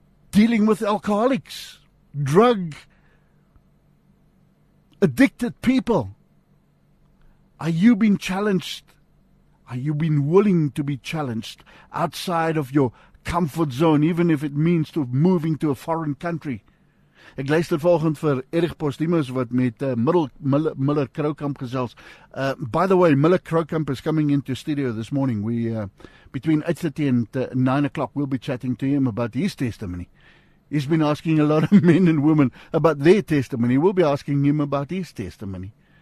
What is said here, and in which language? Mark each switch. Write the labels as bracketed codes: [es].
[en] Dealing with alcoholics, drug addicted people. Are you being challenged? Are you been willing to be challenged outside of your comfort zone, even if it means to moving to a foreign country? [af] Ek luister volgend vir Erich Postimus wat met Miller Krookamp gesels. [en] By the way, Miller Krookamp is coming into studio this morning. We between 8:30 and 9 o'clock, we'll be chatting to him about his testimony. He's been asking a lot of men and women about their testimony. We'll be asking him about his testimony.